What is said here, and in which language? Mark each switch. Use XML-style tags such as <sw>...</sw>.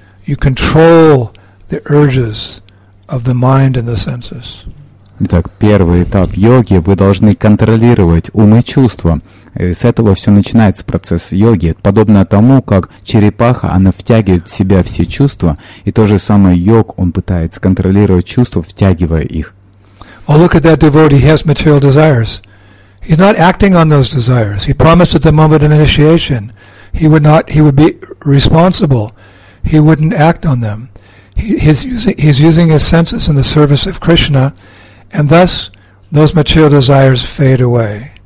<en>You control the urges of the mind and the senses.</en> <ru>Итак, первый этап йоги – вы должны контролировать ум и чувства. С этого все начинается процесс йоги. Подобно тому, как черепаха, она втягивает в себя все чувства, и то же самое йог, он пытается контролировать чувства, втягивая их.</ru> <en>Oh, look at that devotee, he has material desires. He's not acting on those desires. He promised at the moment of initiation, he would be responsible. He wouldn't act on them. He's using his senses in the service of Krishna, and thus those material desires fade away.</en>